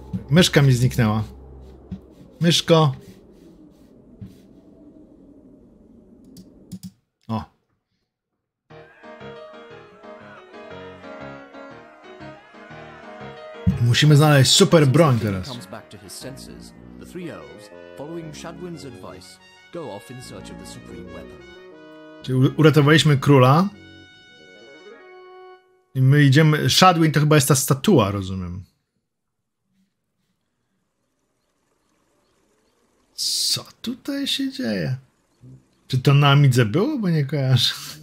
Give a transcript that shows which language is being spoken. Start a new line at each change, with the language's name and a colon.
Polish: Myszka mi zniknęła. Myszko. Musimy znaleźć super broń teraz.
English: The three elves, following Shadwin's advice, go off in search of the supreme weapon.
Polish: Czyli uratowaliśmy króla. I my idziemy. Shadwin to chyba jest ta statua, rozumiem. Co tutaj się dzieje? Czy to na Amidze było, bo nie kojarzę?